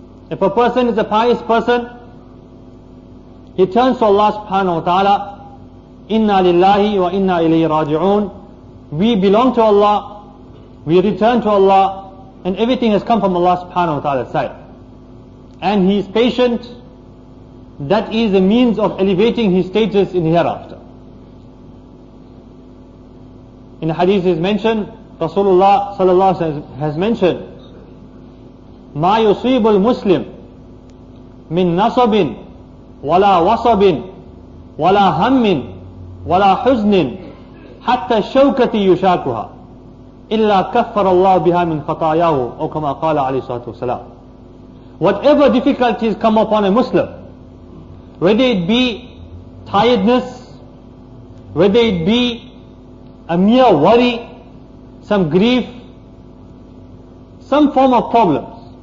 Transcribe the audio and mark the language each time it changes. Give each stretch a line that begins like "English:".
English: If a person is a pious person, he turns to Allah subhanahu wa ta'ala,
Arabic: Inna lillahi wa inna ilayhi raji'un.
English: We belong to Allah, we return to Allah, and everything has come from Allah subhanahu wa ta'ala's side. And he is patient, that is a means of elevating his status in hereafter. In the hadith is mentioned, Rasulullah sallallahu alayhi wa sallam has mentioned,
Arabic: مَا يُصِيبُ الْمُسْلِمْ مِنْ نَصَبٍ وَلَا وَصَبٍ وَلَا هَمٍ وَلَا حُزْنٍ حتى شوكتي يشاكها إلا كفر الله بها من خطاياه أو كما قال عليه الصلاة والسلام.
English: Whatever difficulties come upon a Muslim, whether it be tiredness, whether it be a mere worry, some grief, some form of problems,